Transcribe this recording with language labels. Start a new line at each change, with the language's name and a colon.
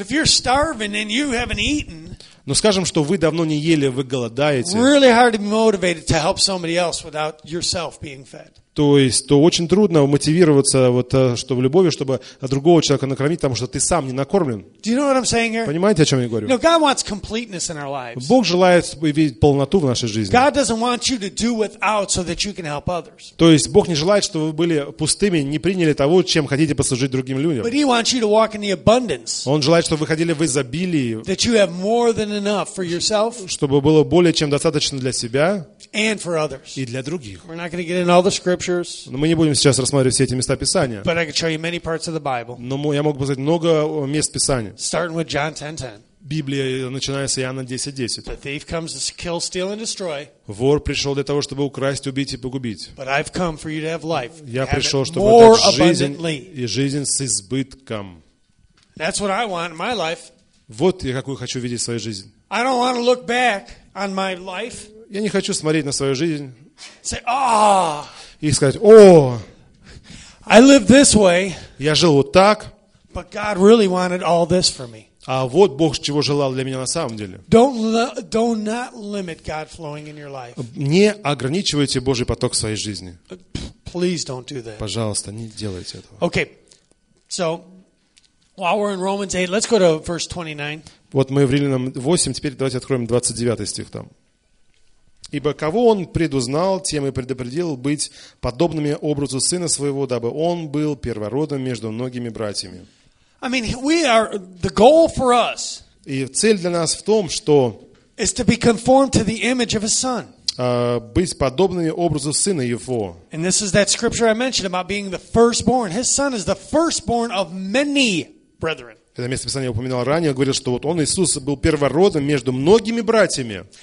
English: But if you're starving and you haven't eaten,
Russian: но скажем, что вы давно не ели, вы голодаете,
English: really hard to be motivated to help somebody else without yourself being fed.
Russian: То есть, то очень трудно мотивироваться вот, что в любови, чтобы другого человека накормить, потому что ты сам не накормлен.
English: Do you know what I'm saying here?
Russian: Понимаете, о чем я говорю?
English: No, God wants completeness in our lives.
Russian: Бог желает видеть полноту в нашей жизни.
English: God doesn't want you to do without so that you can help others.
Russian: То есть, Бог не желает, чтобы вы были пустыми, не приняли того, чем хотите послужить другим людям.
English: But he wants you to walk in the abundance.
Russian: Он желает, чтобы вы ходили в изобилии.
English: That you have more than enough for yourself.
Russian: Чтобы было более чем достаточно для себя.
English: And for others.
Russian: И для других.
English: We're not going to get into all the scriptures.
Russian: Но мы не будем сейчас рассматривать все эти места Писания.
English: But I can show you many parts of the Bible.
Russian: Но я мог бы сказать много мест Писания.
English: Starting with John 10:10.
Russian: Библия начиная с Иоанна 10:10.
English: The thief comes to kill, steal, and destroy.
Russian: Вор пришел для того, чтобы украсть, убить и погубить.
English: But I've come for you to have life.
Russian: Я пришел, чтобы дать жизнь и жизнь с избытком.
English: That's what I want in my life.
Russian: Вот я какую хочу видеть в своей жизни.
English: I don't want to look back on my life.
Russian: Я не хочу смотреть на свою жизнь.
English: Say, oh,
Russian: и сказать, о,
English: I live this way,
Russian: я жил вот так,
English: but God really wanted all this for me.
Russian: А вот Бог чего желал для меня на самом деле.
English: Don't limit God flowing in your life.
Russian: Не ограничивайте Божий поток в своей жизни.
English: Please don't do that.
Russian: Пожалуйста, не делайте этого.
English: Okay. So, while we're in Romans 8, let's go to verse 29.
Russian: Вот мы в Римлянам 8, теперь давайте откроем 29 стих там. Ибо кого он предузнал, тем и предопределил быть подобными образу сына своего, дабы он был первородным между многими братьями.
English: I mean, we are, the goal for us,
Russian: и цель для нас в том, что
English: is to be conformed to the image of his son.
Russian: Быть подобными образу сына его.
English: And this is that scripture I mentioned about being the firstborn. His son is the firstborn of many brethren.
Russian: Это место Писания упоминал ранее, говорил, что вот он, Иисус, был первородным между многими братьями.